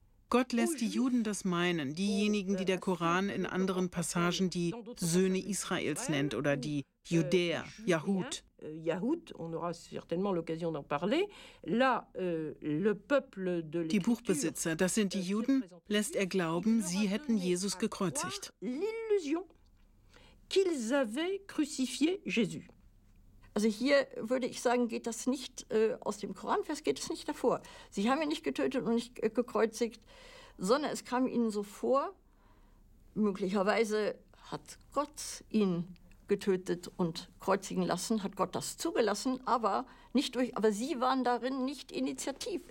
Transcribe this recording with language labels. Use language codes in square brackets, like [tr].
[de] Gott lässt die Juden das meinen, diejenigen, die der Koran in anderen Passagen die Söhne Israels nennt oder die Judäer, Yahud. Die Buchbesitzer, das sind die Juden, lässt er glauben, sie hätten Jesus gekreuzigt. [fr] L'illusion qu'ils avaient crucifié Jésus. [de] Also hier würde ich sagen, geht das nicht aus dem Koranvers, geht es nicht davor. Sie haben ihn nicht getötet und nicht gekreuzigt, sondern es kam ihnen so vor, möglicherweise hat Gott ihn getötet und kreuzigen lassen, hat Gott das zugelassen, aber sie waren darin nicht initiativ.